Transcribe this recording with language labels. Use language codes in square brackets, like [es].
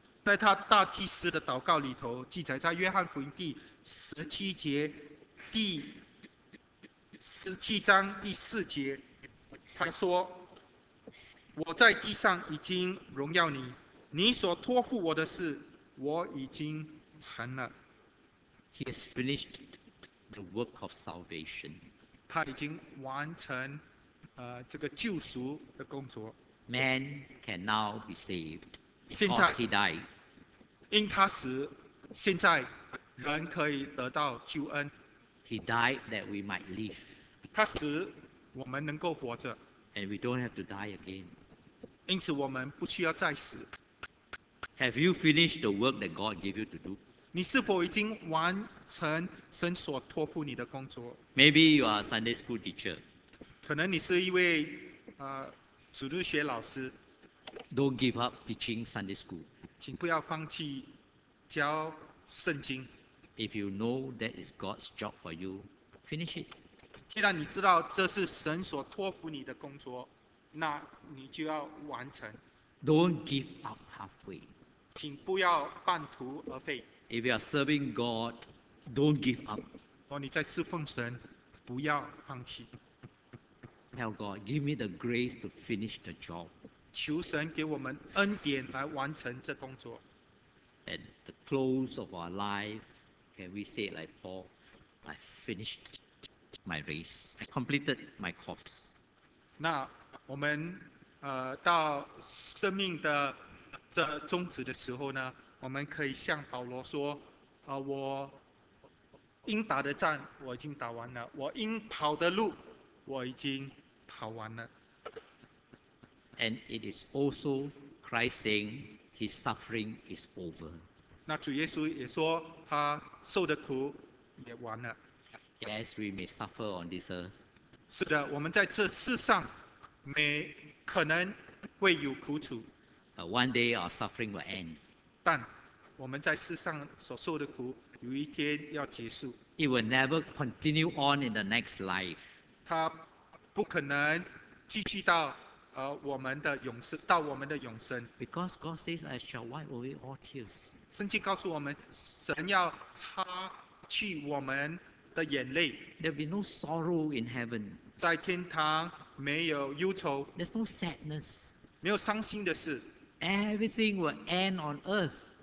[zh] 在他大祭司的祷告里头记载，在约翰福音第十七节第十七章第四节，他说：“我在地上已经荣耀你，你所托付我的事，我已经成了。” [en] He has finished the work of salvation. [zh] 他已经完成这个救赎的工作。 [en] Man can now be saved because he died. [zh] 因他死，现在人可以得到救恩。 [en] He died that we might live. [zh] 他死，我们能够活着。 [en] And we don't have to die again. [zh] 因此我们不需要再死。 [en] Have you finished the work that God gave you to do? [zh] 你是否已经完成神所托付你的工作？ [en] Maybe you are a Sunday school teacher. [zh] 可能你是一位主日学老师。 [en] Don't give up teaching Sunday school. [zh] 请不要放弃教圣经。 [en] If you know that is God's job for you, finish it. [zh] 既然你知道这是神所托付你的工作，那你就要完成。 [en] Don't give up halfway. [zh] 请不要半途而废。 [en] If you are serving God, don't give up. [zh] 若你在侍奉神，不要放弃。 [en] Tell God, give me the grace to finish the job. [zh] 求神给我们恩典来完成这工作。 [en] At the close of our life, can we say like Paul, I finished my race. I completed my course. [zh] 那我们到生命的这终止的时候呢，我们可以向保罗说，我应打的战我已经打完了，我应跑的路我已经跑完了。 [en] And it is also Christ saying his suffering is over. [zh] 那主耶稣也说他受的苦也完了。 [en] Yes, we may suffer on this earth. [zh] 是的，我们在这世上没可能会有苦楚。 [en] But one day our suffering will end. [zh] 但我们在世上所受的苦有一天要结束。 [en] It will never continue on in the next life. [zh] 它不可能继续到我们的永生，到我们的永生。 [en] Because God says, I shall wipe away all tears. [zh] 圣经告诉我们，神要擦去我们的眼泪。 [en] There will be no sorrow in heaven. [zh] 在天堂没有忧愁。 [en] There's no sadness. [zh] 没有伤心的事。 [en] Everything will end on earth.